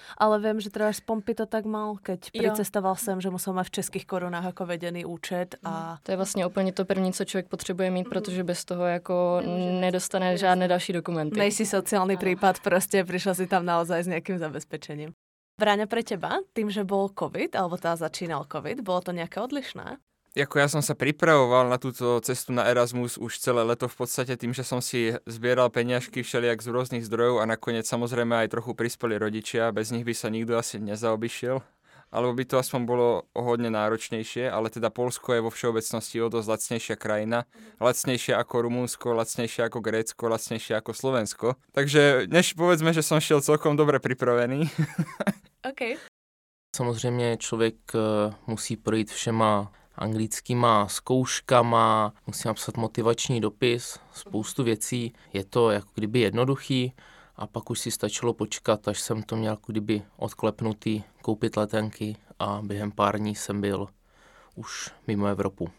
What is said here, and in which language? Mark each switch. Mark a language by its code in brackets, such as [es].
[cs] Ale vím, že třeba z Pompy to tak [sk] mal, keď [cs] přicestoval jsem, že musel mít v českých korunách jako vedený účet. A... To je vlastně úplně to první, co člověk potřebuje mít, protože bez toho jako nedostane žádné další dokumenty. Nejsi sociální případ, prostě přišel si tam naozaj s nějakým zabezpečením. [sk] Vráňa, pre teba, tým, že bol COVID, alebo teda začínal COVID, bolo to nejaké odlišné? Jako ja som sa pripravoval na túto cestu na Erasmus už celé leto v podstate tým, že som si zbieral peniažky všelijak z rôznych zdrojov a nakoniec samozrejme aj trochu prispeli rodičia, bez nich by sa nikto asi nezaobišiel. Alebo by to aspoň bolo o hodne náročnejšie, ale teda Poľsko je vo všeobecnosti o dosť lacnejšia krajina. Lacnejšia ako Rumunsko, lacnejšia ako Grécko, lacnejšia ako Slovensko. Takže než povedzme, že som šiel celkom dobre pripravený. OK. [cs] Samozrejme, človek musí projít všema anglickýma zkouškama, musí napsat motivační dopis, spoustu věcí. Je to jako kdyby jednoduchý. A pak už si stačilo počkat, až jsem to měl kdyby odklepnutý, koupit letenky a během pár dní jsem byl už mimo Evropu.